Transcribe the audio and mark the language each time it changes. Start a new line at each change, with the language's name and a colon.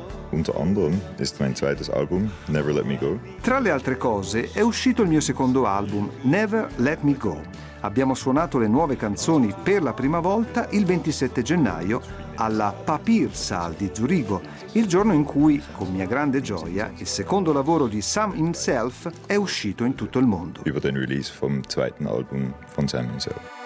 German: Unter anderem ist mein zweites Album Never Let Me Go.
Italian: Tra le altre cose è uscito il mio secondo album Never Let Me Go. Abbiamo suonato le nuove canzoni per la prima volta il 27 gennaio alla Papiersaal di Zurigo, il giorno in cui, con mia grande gioia, il secondo lavoro di Sam himself è uscito in tutto il mondo.
German: Über den Release vom zweiten Album von Sam himself.